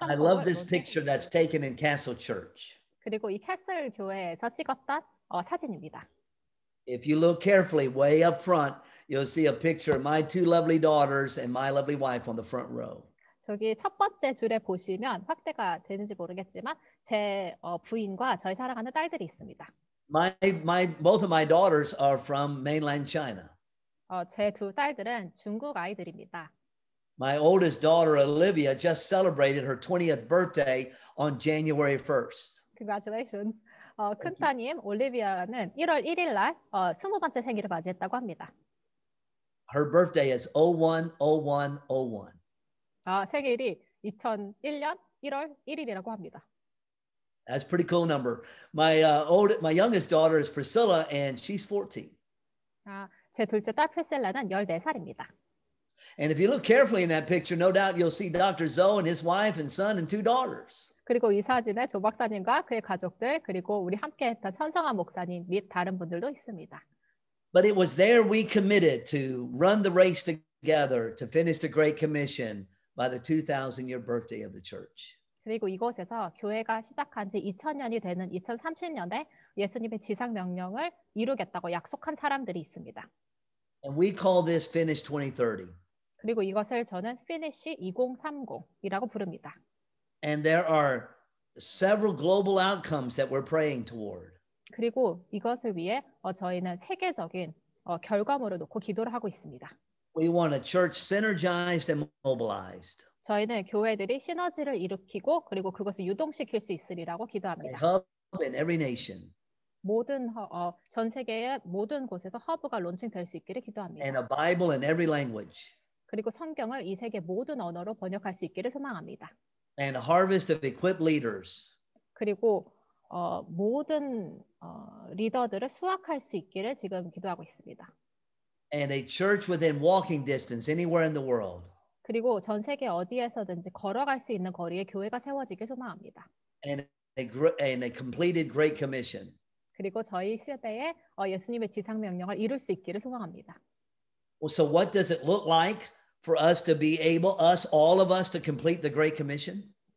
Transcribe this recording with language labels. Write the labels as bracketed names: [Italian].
[English] I love this picture that's taken in Castle Church. [Korean] 그리고 이 캐슬 교회에서 찍었던 사진입니다. [English] If you look carefully, way up front, you'll see a picture of my two lovely daughters and my lovely wife on the front row. [Korean] 저기 첫 번째 줄에 보시면 확대가 되는지 모르겠지만 제 부인과 저희 사랑하는 딸들이 있습니다. [English] My both of my daughters are from mainland China. [Korean] 제 두 딸들은 중국 아이들입니다. [English] My oldest daughter Olivia just celebrated her 20th birthday on January 1st. Congratulations. [Korean] 큰 따님 올리비아는 1월 1일 날 20번째 생일을 맞이했다고 합니다. [English] Her birthday is 010101. [Korean] 생일이 2001년 1월 1일이라고 합니다. [English] That's a pretty cool number. My youngest daughter is Priscilla and she's 14. [Korean] 제 둘째 딸 프리셀라는 14살입니다. [English] And if you look carefully in that picture, no doubt you'll see Dr. Zhou and his wife and son and two daughters. [Korean] 그리고 이 사진에 조 박사님과 그의 가족들 그리고 우리 함께 했던 천성아 목사님 및 다른 분들도 있습니다. [English] But it was there we committed to run the race together to finish the Great Commission. By the 2000 year birthday of the church. [Korean] 그리고 이곳에서 교회가 시작한 지 2000년이 되는 2030년에 예수님의 지상 명령을 이루겠다고 약속한 사람들이 있습니다. [English] And we call this Finish 2030. [Korean] 그리고 이것을 저는 Finish 2030이라고 부릅니다. [English] And there are several global outcomes that we're praying toward. [Korean] 그리고 이것을 위해 저희는 세계적인 결과물을 놓고 기도를 하고 있습니다. [English] We want a church synergized and mobilized. [Korean] 저희는 교회들이 시너지를 일으키고 그리고 그것을 유동시킬 수 있으리라고 기도합니다. [English] A hub in every nation. [Korean] 모든 전 세계의 모든 곳에서 허브가 론칭될 수 있기를 기도합니다. [English] And a Bible in every language. [Korean] 그리고 성경을 이 세계 모든 언어로 번역할 수 있기를 소망합니다. [English] And a harvest of equipped leaders. [Korean] 그리고 모든 리더들을 수확할 수 있기를 지금 기도하고 있습니다. [English] And a church within walking distance anywhere in the world. [Korean] 그리고 전 세계 어디에서든지 걸어갈 수 있는 거리에 교회가 세워지길 소망합니다. [English] And a completed great commission. [Korean] 그리고 저희 시대에 예수님의 지상 명령을 이룰 수 있기를 소망합니다. [English] Well, so what does it look like for us to be able, us, all of us to complete the great commission?